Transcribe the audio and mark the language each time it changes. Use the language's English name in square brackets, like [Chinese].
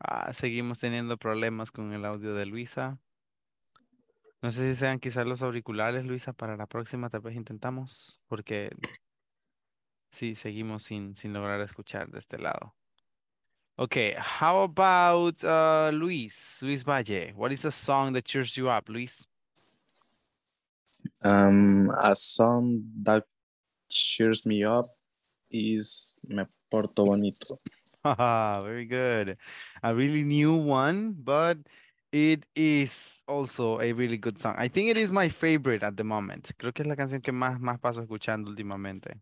[Spanish] Seguimos teniendo problemas con el audio de Luisa. No sé si sean quizás los auriculares, Luisa, para la próxima tal vez intentamos, porque sí, seguimos sin lograr escuchar de este lado. [English] Okay, how about Luis Valle? What is a song that cheers you up, Luis? A song that cheers me up is Me Porto Bonito. Very good. A really new one, but it is also a really good song. I think it is my favorite at the moment. [Spanish] Creo que es la canción que más paso escuchando últimamente.